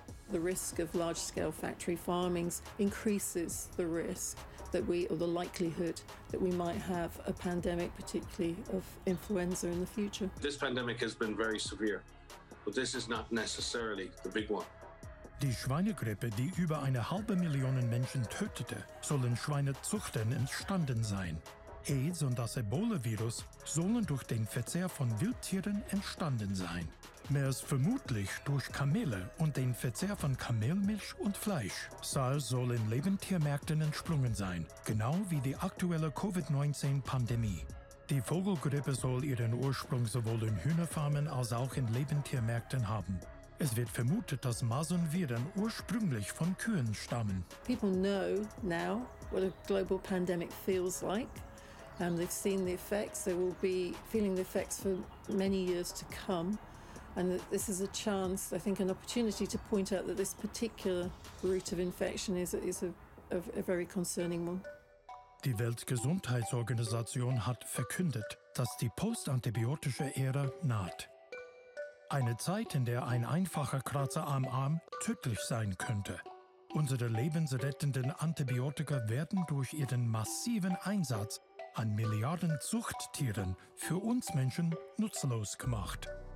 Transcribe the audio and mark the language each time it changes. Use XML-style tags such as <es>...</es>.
<en>The risk of large-scale factory farmings increases the risk that we, or the likelihood that we might have a pandemic, particularly of influenza in the future. This pandemic has been very severe, but this is not necessarily the big one.</en> <de>Die Schweinegrippe, die über eine halbe Million Menschen tötete, sollen Schweinezüchtern entstanden sein. AIDS und das Ebola-Virus sollen durch den Verzehr von Wildtieren entstanden sein. Mehr ist vermutlich durch Kamele und den Verzehr von Kamelmilch und Fleisch. SARS soll in Lebendtiermärkten entsprungen sein, genau wie die aktuelle Covid-19-Pandemie. Die Vogelgrippe soll ihren Ursprung sowohl in Hühnerfarmen als auch in Lebendtiermärkten haben. Es wird vermutet, dass Masernviren ursprünglich von Kühen stammen.</de> <en>People know now what a global pandemic feels like. They've seen the effects. They will be feeling the effects for many years to come. And this is a chance, I think, an opportunity to point out that this particular route of infection is a very concerning one.</en> <de>Die Weltgesundheitsorganisation hat verkündet, dass die postantibiotische Ära naht. Eine Zeit, in der ein einfacher Kratzer am Arm tödlich sein könnte. Unsere lebensrettenden Antibiotika werden durch ihren massiven Einsatz an Milliarden Zuchttieren für uns Menschen nutzlos gemacht.</de>